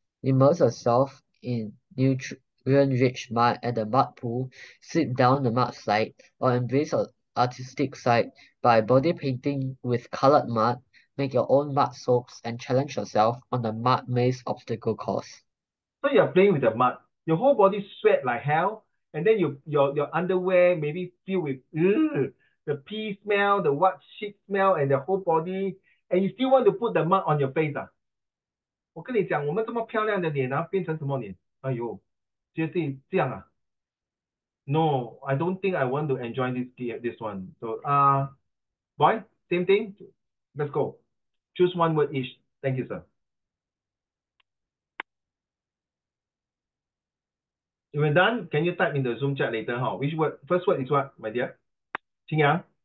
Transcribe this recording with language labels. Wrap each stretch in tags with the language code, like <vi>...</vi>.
<en>Immerse yourself in nutrient-rich mud at the mud pool, slip down the mud slide, or embrace an artistic side by body painting with colored mud, make your own mud soaps, and challenge yourself on the mud maze obstacle course. So you're playing with the mud, your whole body sweat like hell, and then your underwear maybe filled with the pee smell, the what shit smell, and the whole body, and you still want to put the mud on your face.</en> <zh>我跟你讲，我们这么漂亮的脸啊，变成什么脸？哎呦，就是这样啊。</zh> <en>No, I don't think I want to enjoy this one. So boy, same thing. Let's go. Choose one word each. Thank you, sir. We're done. Can you type in the Zoom chat later? Huh? Which word? First word is what, my dear? Qingyang.</en>